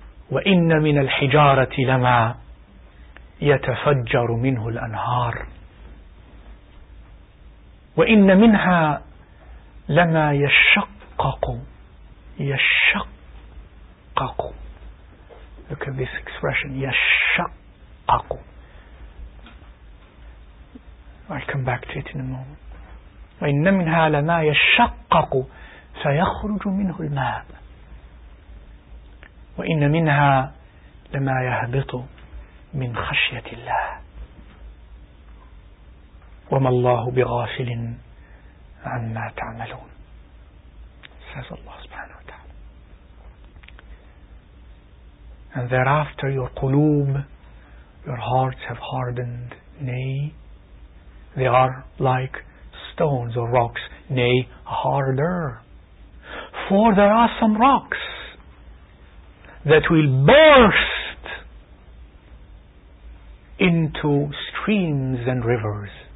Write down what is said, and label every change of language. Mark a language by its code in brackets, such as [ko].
[ar] وَإِنَّ مِنَ الْحِجَارَةِ لَمَا يَتَفَجَّرُ مِنْهُ الْأَنْهَارِ وَإِنَّ مِنْهَا لَمَا يَشَّقَّقُ يَشَّقَّقُ. [en] Look at this expression, يَشَّقَّقُ. I'll come back to it in a moment. [ar] وَإِنَّ مِنْهَا لَمَا يَشَّقَّقُ فَيَخْرُجُ مِنْهُ الْمَاءُ وَإِنَّ مِنْهَا لَمَا يَهْبِطُ مِنْ خَشْيَةِ اللَّهِ وَمَا اللَّهُ بِغَافِلٍ عَمَّا تَعْمَلُونَ [en] says Allah subhanahu wa ta'ala. And thereafter your qulub, your hearts have hardened, nay, they are like stones or rocks, nay, harder. For there are some rocks that will burst into streams and rivers.